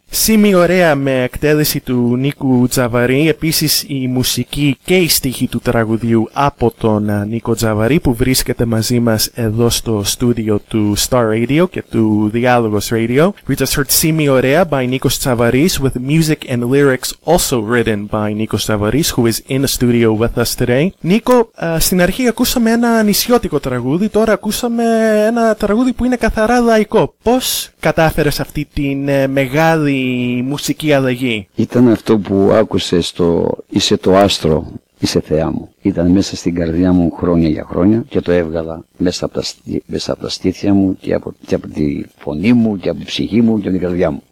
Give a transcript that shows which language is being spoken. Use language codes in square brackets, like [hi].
[el] Σήμη ωραία με εκτέλεση του Νίκου Τσαβαρή, επίσης η μουσική και η στίχη του τραγουδιού από τον Νίκο Τσαβαρή που βρίσκεται μαζί μας εδώ στο στούδιο του Star Radio και του Διάλογος Radio. [en] We just heard Σήμη ωραία by Νίκος Τσαβαρής with music and lyrics also written by Νίκος Τσαβαρής, who is in the studio with us today. [el] Νίκο, στην αρχή ακούσαμε ένα νησιώτικο τραγούδι, τώρα ακούσαμε ένα τραγούδι που είναι καθαρά λαϊκό. Πώς κατάφερες αυτή την μεγάλη μουσική αλλαγή? Ήταν αυτό που άκουσε στο «Είσαι το άστρο, είσαι θεά μου». Ήταν μέσα στην καρδιά μου χρόνια για χρόνια και το έβγαλα μέσα από τα στήθια μου και από τη φωνή μου και από την ψυχή μου και από την καρδιά μου.